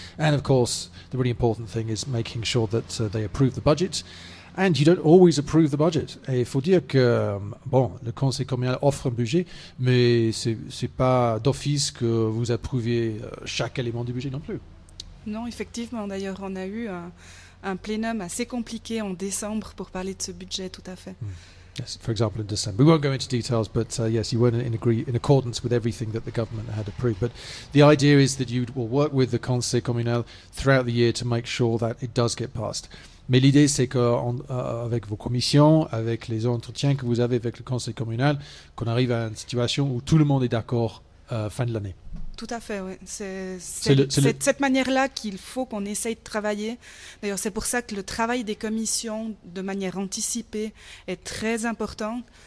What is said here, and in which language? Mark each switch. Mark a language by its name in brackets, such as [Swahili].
[English] And of course, the really important thing is making sure that they approve the budget. And you don't always approve the budget. [French] Et il faut dire que, bon, le conseil communal offre un budget, mais ce n'est pas d'office que vous approuviez chaque élément du budget non plus. Non, effectivement. D'ailleurs, on a eu un plénum assez compliqué en décembre pour parler de ce budget, tout à fait. [English] Yes, for example, in December. We won't go into details, but yes, you weren't in accordance with everything that the government had approved. But the idea is that you will work with the conseil communal throughout the year to make sure that it does get passed. [French] Mais l'idée, c'est qu'avec vos commissions, avec les entretiens que vous avez avec le conseil communal, qu'on arrive à une situation où tout le monde est d'accord fin de l'année. Tout à fait, oui. C'est de cette manière-là qu'il faut qu'on essaye de travailler. D'ailleurs, c'est pour ça que le travail des commissions, de manière anticipée, est très important.